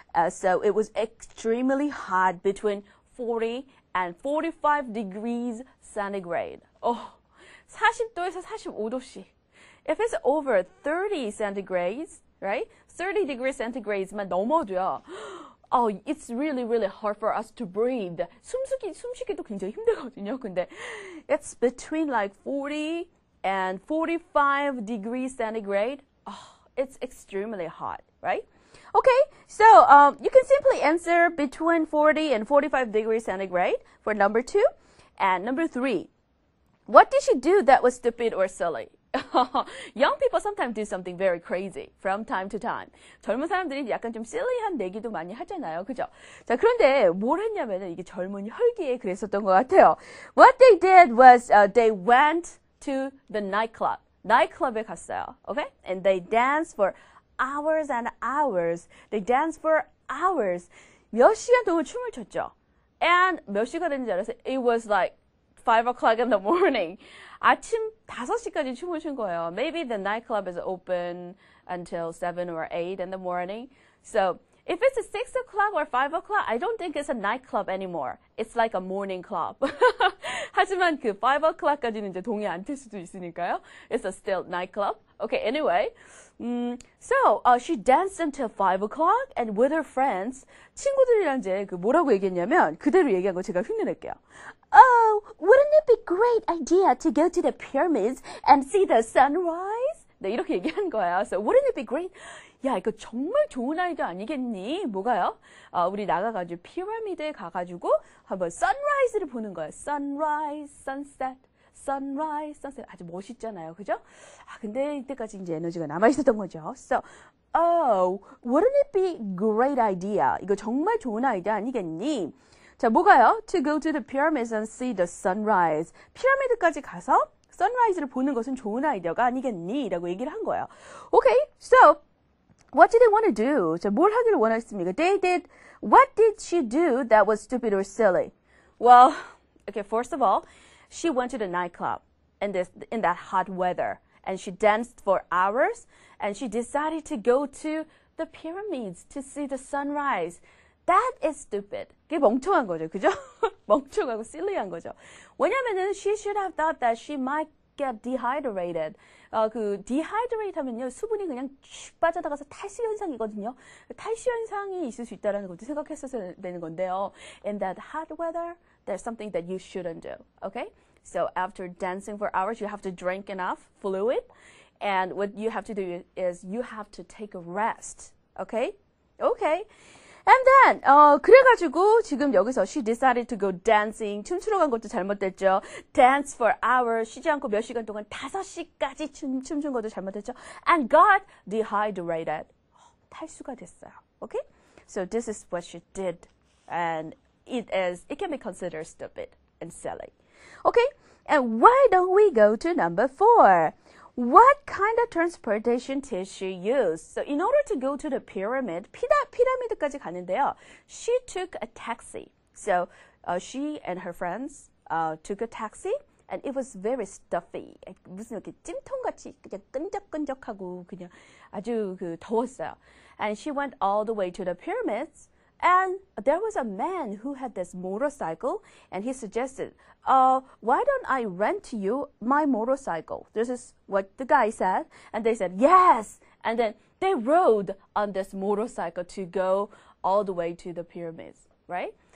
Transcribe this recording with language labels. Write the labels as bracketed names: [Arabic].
[English] So it was extremely hot between 40 and 45 degrees centigrade. Oh, [Korean] 40도에서 45도씩. [English] If it's over 30 centigrades, right? 30 degrees centigrade [Korean] 만 넘어도요. [English] Oh, it's really, really hard for us to breathe. [Korean] 숨쉬기도 굉장히 힘들거든요. [English] 근데 it's between like 40 and 45 degrees centigrade. Oh, it's extremely hot, right? Okay, so you can simply answer between 40 and 45 degrees centigrade for number two. And number three, what did she do that was stupid or silly? Young people sometimes do something very crazy from time to time. [Korean] 젊은 사람들이 약간 좀 silly한 내기도 많이 하잖아요. 그죠? 자, 그런데 뭘 했냐면은 이게 젊은 혈기에 그랬었던 것 같아요. [English] What they did was they went to the nightclub. [Korean] 나이클럽에 갔어요. [English] Okay? And they danced for hours and hours. They danced for hours. [Korean] 몇 시간 동안 춤을 췄죠? [English] And [Korean] 몇 시간 됐는지 알았어요? [English] It was like 5 o'clock in the morning. [Korean] 아침 5시까지 춤을 춘 거예요. [English] Maybe the nightclub is open until 7 or 8 in the morning. So if it's a 6 o'clock or 5 o'clock, I don't think it's a nightclub anymore. It's like a morning club. [Korean] 하지만 그 5 o'clock까지는 이제 동의 안 될 수도 있으니까요. [English] It's a still nightclub. Okay, anyway. She danced until 5 o'clock and with her friends. [Korean] 친구들이랑 이제 그 뭐라고 얘기했냐면 그대로 얘기한 거 제가 흉내낼게요. [English] Oh, wouldn't it be a great idea to go to the pyramids and see the sunrise? [Korean] 네, 이렇게 얘기한 거예요. [English] So, wouldn't it be great? [Korean] 야, 이거 정말 좋은 아이디어 아니겠니? 뭐가요? 우리 나가가지고 피라미드에 가가지고 한번 sunrise를 보는 거예요. Sunrise, sunset, sunrise, sunset. 아주 멋있잖아요. 그죠? 아, 근데 이때까지 이제 에너지가 남아있었던 거죠. [English] So, oh, wouldn't it be a great idea? [Korean] 이거 정말 좋은 아이디어 아니겠니? 자, 뭐가요? [English] To go to the pyramids and see the sunrise. [Korean] 피라미드까지 가서 sunrise를 보는 것은 좋은 아이디어가 아니겠니? 라고 얘기를 한 거예요. [English] Okay, so what did they want to do? [Korean] 자, 뭘 하기를 원했습니까? [English] They did, what did she do that was stupid or silly? Well, okay, first of all, she went to the nightclub in that hot weather. And she danced for hours. And she decided to go to the pyramids to see the sunrise. That is stupid. [Korean] 그게 멍청한 거죠, 그죠? 멍청하고 silly한 거죠. 왜냐면은 [English] she should have thought that she might get dehydrated. [Korean] 그 dehydrate 하면요, 수분이 그냥 쭉 빠져나가서 탈수 현상이거든요. 탈수 현상이 있을 수 있다라는 것도 생각했어야 되는 건데요. [English] In that hot weather, there's something that you shouldn't do, okay? So after dancing for hours, you have to drink enough fluid. And what you have to do is you have to take a rest, okay? Okay. And then, [Korean] 그래가지고 지금 여기서 [English] she decided to go dancing. [Korean] 춤추러 간 것도 잘못됐죠. [English] Dance for hours. [Korean] 쉬지 않고 몇 시간 동안 5시까지 춤춘 것도 잘못됐죠. [English] And got dehydrated. [Korean] 탈수가 됐어요. [English] Okay? So this is what she did. And it can be considered stupid and silly. Okay? And why don't we go to number four? What kind of transportation did she use? So in order to go to the pyramid, [Korean] 피라미드까지 가는데요. [English] She took a taxi. So she and her friends took a taxi and it was very stuffy. [Korean] 무슨 이렇게 찜통같이 그냥 끈적끈적하고 그냥 아주 그 더웠어요. [English] And she went all the way to the pyramids and there was a man who had this motorcycle and he suggested, why don't I rent you my motorcycle? This is what the guy said. And they said, yes! And then they rode on this motorcycle to go all the way to the pyramids, right?